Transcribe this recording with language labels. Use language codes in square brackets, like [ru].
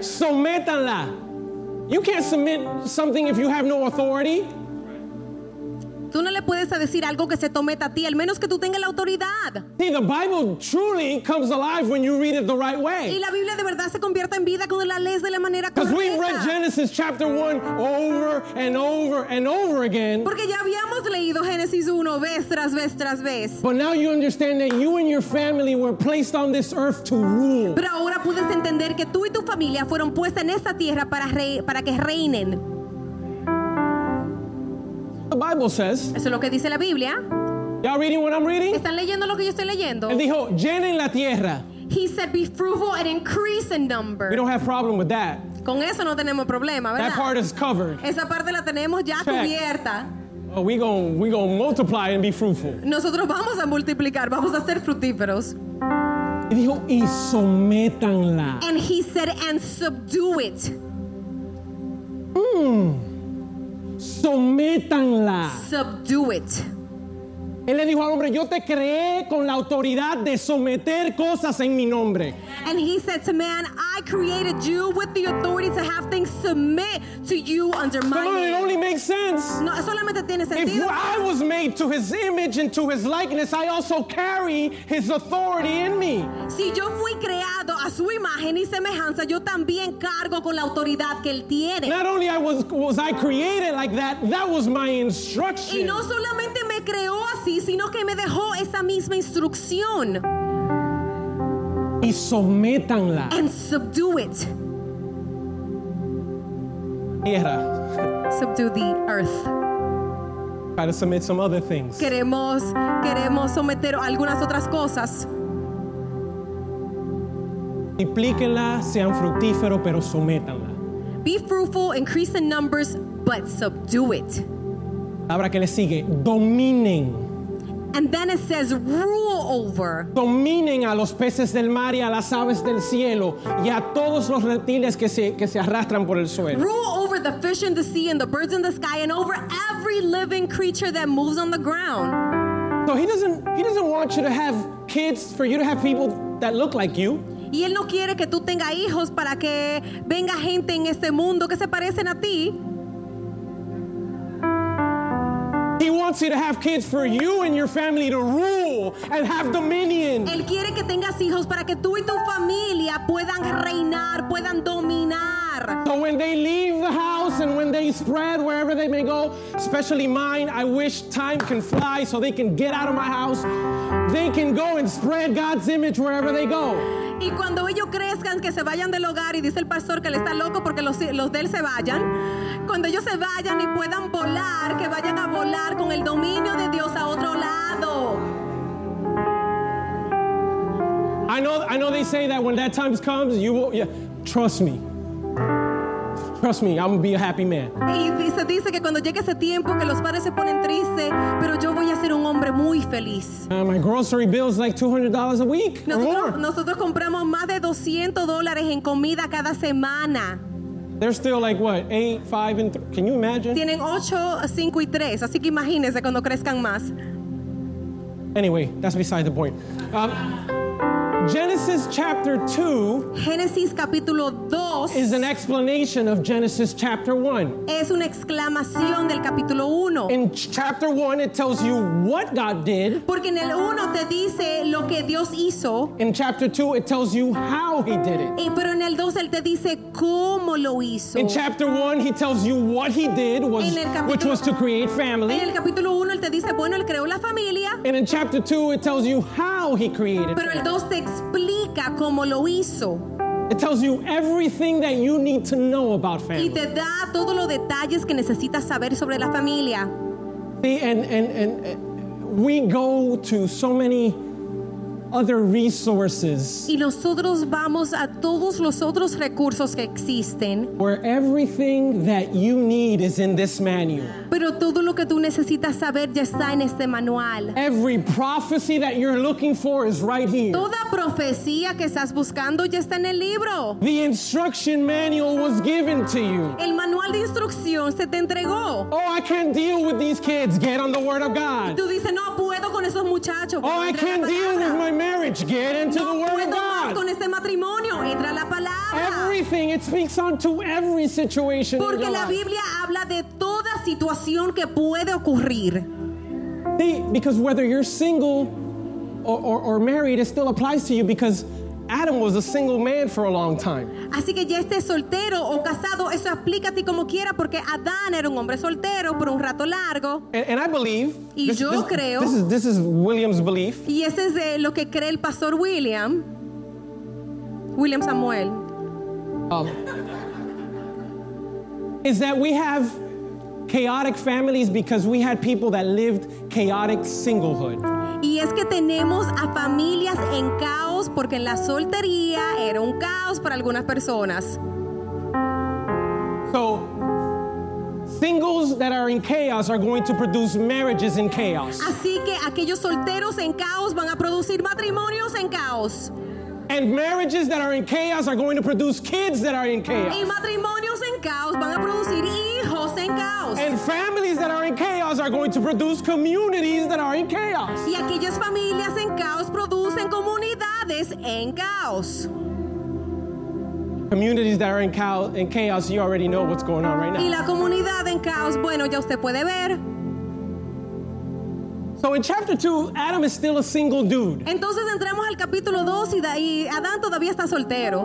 [es] Sométanla. [en] You can't submit something if you have no authority. [es] Tú no le puedes decir algo que se tome a ti, al menos que tú tengas la autoridad. [en] See, the Bible truly comes alive when you read it the right way. [es] Y la Biblia de verdad se convierte en vida cuando la lees de la manera correcta. [en] Because we've read Genesis chapter 1 over and over and over again. [es] Porque ya habíamos leído Génesis 1 vez tras vez tras vez. [en] But now you understand that you and your family were placed on this earth to rule. [es] Pero ahora puedes entender que tú y tu familia fueron puestas en esta tierra para que reinen. [en] The Bible says. [es] Eso es lo que dice la Biblia. [en] Y'all reading what I'm reading? [es] Están leyendo lo que yo estoy leyendo. Él dijo, llenen la tierra. [en] He said, be fruitful and increase in number. We don't have problem with that. [es] Con eso no tenemos problema, ¿verdad? [en] That part is covered. [es] Esa parte la tenemos ya [en] check. [es] Cubierta. [en] Oh, we gonna multiply and be fruitful. [es] Nosotros vamos a multiplicar, vamos a ser fructíferos. Y dijo, y sométanla. [en] And he said, and subdue it. [es] Sométanla. [en] Subdue it. [es] Él le dijo al hombre, yo te creé con la autoridad de someter cosas en mi nombre. [en] And he said to man, I created you with the authority to have things submit to you under my name. Come on, it only makes sense. [es] No, solamente tiene sentido. [en] If I was made to his image and to his likeness, I also carry his authority in me. [es] Si yo fui creado a su imagen y semejanza, yo también cargo con la autoridad que él tiene. [en] Not only was I created like that, that was my instruction. [es] Y no solamente me creó así, sino que me dejó esa misma instrucción. Y sométanla. [en] And subdue it. [es] Tierra. [en] Subdue the earth. Try to submit some other things. [es] Queremos someter algunas otras cosas. Multiplíquenla, sean fructíferos, pero sométanla. [en] Be fruitful, increase in numbers, but subdue it. [es] Ahora que le sigue, dominen. [en] And then it says, rule over. [es] Dominen a los peces del mar y a las aves del cielo y a todos los reptiles que se arrastran por el suelo. [en] Rule over the fish in the sea and the birds in the sky and over every living creature that moves on the ground. So he doesn't want you to have kids for you to have people that look like you. [es] Y él no quiere que tú tengas hijos para que venga gente en este mundo que se parecen a ti. [en] He wants you to have kids for you and your family to rule and have dominion. [es] Él quiere que tengas hijos para que tú y tu familia puedan reinar, puedan dominar. [en] So when they leave the house and when they spread wherever they may go, especially mine, I wish time can fly so they can get out of my house. They can go and spread God's image wherever they go. [es] Y cuando ellos crezcan, que se vayan del hogar, y dice el pastor que le está loco porque los de él se vayan. Cuando ellos se vayan y puedan volar, que vayan a volar con el dominio de Dios a otro lado. [en] I know they say that when that time comes, you will, yeah, trust me. Trust me, I'm going to be a happy man. [es] Y se dice que cuando llegue ese tiempo que los padres se ponen tristes, pero yo voy a ser un hombre muy feliz. [en] My grocery bill is like $200 a week. [es] Nosotros compramos más de $200 en comida cada semana. [en] They're still like what? 8, 5, and 3. Can you imagine? [es] Tienen 8, 5 y 3. Así que imagínense cuando crezcan más. [en] Anyway, that's beside the point. Genesis chapter 2. [es] Génesis capítulo 2 [en] is an explanation of Genesis chapter 1. [es] Es una exclamación del capítulo 1. [en] In chapter 1 it tells you what God did. [es] Porque en el 1 te dice lo que Dios hizo. [en] In chapter 2 it tells you how he did it. [es] Pero en el 2 él te dice cómo lo hizo. [en] In chapter 1 he tells you what he did was which was to create family. [es] En el capítulo 1 él te dice bueno, él creó la familia. [en] And in chapter 2 it tells you how he created. [es] Pero el 2 explica cómo lo hizo. [en] It tells you everything that you need to know about family. [es] Y te da todos los detalles que necesitas saber sobre la familia. [en] See, and we go to so many other resources. [es] Y nosotros vamos a todos los otros recursos que existen. [en] Where everything that you need is in this manual. [es] Pero todo lo que tú necesitas saber ya está en este manual. [en] Every prophecy that you're looking for is right here. [es] Toda profecía que estás buscando ya está en el libro. [en] The instruction manual was given to you. [es] El manual de instrucción se te entregó. [en] Oh, I can't deal with these kids. Get on the word of God. [es] Y tú dices, no puedo con esos muchachos. [en] Oh, I can't deal with my marriage. Get into the word of God. [es] No puedo con este matrimonio. Entra la palabra. [en] Everything, it speaks onto every situation. [es] Porque la Biblia habla de todas situación que puede ocurrir. [en] See, because whether you're single or married, it still applies to you because Adam was a single man for a long time. [es] Así que ya estés soltero o casado, eso aplica a ti como quiera porque Adán era un hombre soltero por un rato largo. [en] And I believe. [es] Y yo creo. [en] This is William's belief. [es] Y ese es de lo que cree el pastor William. William Samuel. [en] Is that we have chaotic families because we had people that lived chaotic singlehood. [es] Y es que tenemos a familias en caos porque en la soltería era un caos para algunas personas. [en] So, singles that are in chaos are going to produce marriages in chaos. [es] Así que aquellos solteros en caos van a producir matrimonios en caos. [en] And marriages that are in chaos are going to produce kids that are in chaos. [es] Y matrimonios en caos van a producir hijos en caos. [en] And families that are in chaos are going to produce communities that are in chaos. [es] Y aquellas familias en caos producen comunidades en caos. [en] Communities that are in chaos, you already know what's going on right now. [es] Y la comunidad en caos, bueno, ya usted puede ver. [en] So in chapter 2, Adam is still a single dude. [es] Entonces entramos al capítulo 2 y Adán todavía está soltero.